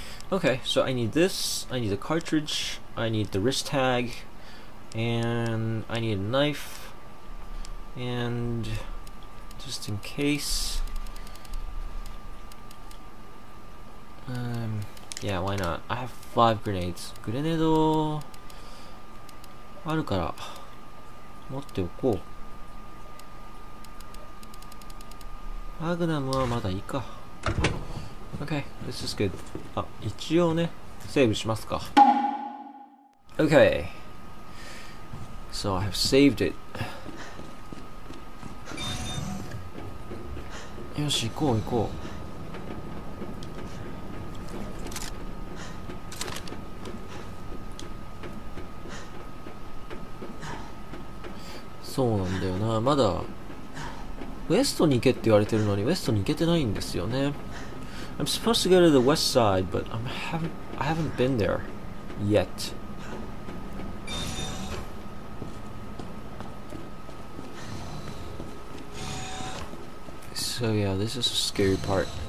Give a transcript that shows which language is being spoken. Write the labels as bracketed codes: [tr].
[en] Okay, so I need this, I need a cartridge, I need the wrist tag, and I need a knife, and just in case, yeah, why not? I have 5 grenades. [ja] グレネードあるから持っておこう。マグナムはまだいいか。 [en] Okay, this is good. [ja] あ、一応ね、セーブしますか。 [en] Okay. So I have saved it. [ja] よし、行こう行こう。そうなんだよな、まだ、ウエストに行けって言われてるのに、ウエストに行けてないんですよね。 [en] I'm supposed to go to the west side, but I haven't been there yet. So yeah, this is a scary part.